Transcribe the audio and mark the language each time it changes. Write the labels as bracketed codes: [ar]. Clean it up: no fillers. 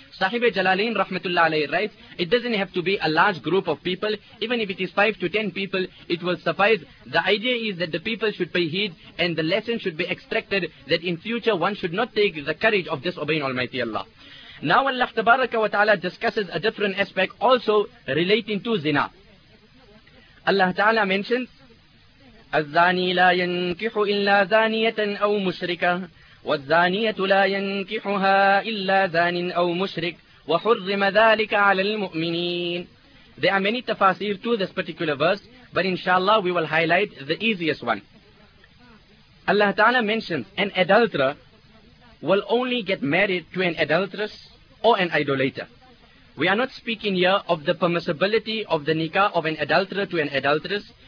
[en] Sahib Jalalain Rahmatullah Alayhi writes, it doesn't have to be a large group of people, even if it is 5 to 10 people, it will suffice. The idea is that the people should pay heed and the lesson should be extracted that in future one should not take the courage of disobeying Almighty Allah. Now Allah Tabaraka wa Ta'ala discusses a different aspect also relating to zina. Allah Ta'ala mentions, [ar] الزاني لا ينكح إلا زانية أو مشركة والزانية لا ينكحها إلا زان أو مشرك وحرم ذلك على المؤمنين. [en] There are many tafasir to this particular verse, but inshallah we will highlight the easiest one. Allah Ta'ala mentions an adulterer will only get married to an adulteress or an idolater. We are not speaking here of the permissibility of the nikah of an adulterer to an adulteress.